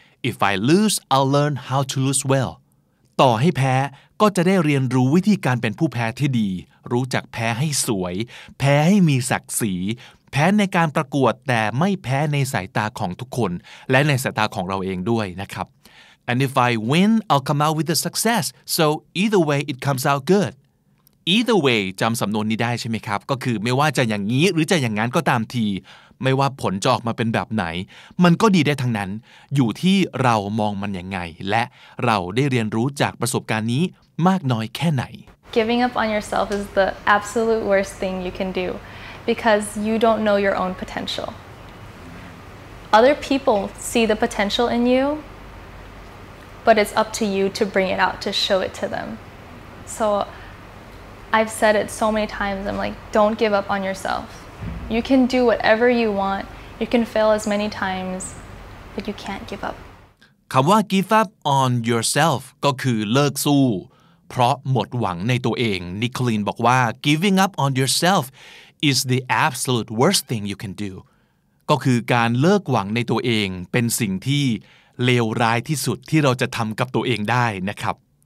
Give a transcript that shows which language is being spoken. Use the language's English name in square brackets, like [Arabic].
[Thai] If I lose I'll learn how to lose well ต่อให้แพ้ก็จะได้เรียนรู้วิธีการเป็นผู้แพ้ที่ดีรู้จักแพ้ให้สวยแพ้ให้มีศักดิ์ศรีแพ้ในการประกวดแต่ไม่แพ้ในสายตาของทุกคนและในสายตาของเราเองด้วยนะครับ And if I win, I'll come out with the success. [English] So either way, it comes out good. [Thai] Either way, จำสำนวนนี้ได้ใช่ไหมครับก็คือไม่ว่าจะอย่างนี้หรือจะอย่างนั้นก็ตามทีไม่ว่าผลจะออกมาเป็นแบบไหนมันก็ดีได้ทั้งนั้นอยู่ที่เรามองมันยังไงและเราได้เรียนรู้จากประสบการณ์นี้มากน้อยแค่ไหน [English] Giving up on yourself is the absolute worst thing you can do because you don't know your own potential. Other people see the potential in you. But it's up to you to bring it out, to show it to them. So I've said it so many times, I'm like, don't give up on yourself. You can do whatever you want. You can fail as many times, but you can't give up. [Thai] คำว่า give up on yourself ก็คือเลิกสู้เพราะหมดหวังในตัวเอง นิโคลีนบอกว่า giving up on yourself is the absolute worst thing you can do. ก็คือการเลิกหวังในตัวเองเป็นสิ่งที่เลวร้ายที่สุดที่เราจะทำกับตัวเองได้นะครับ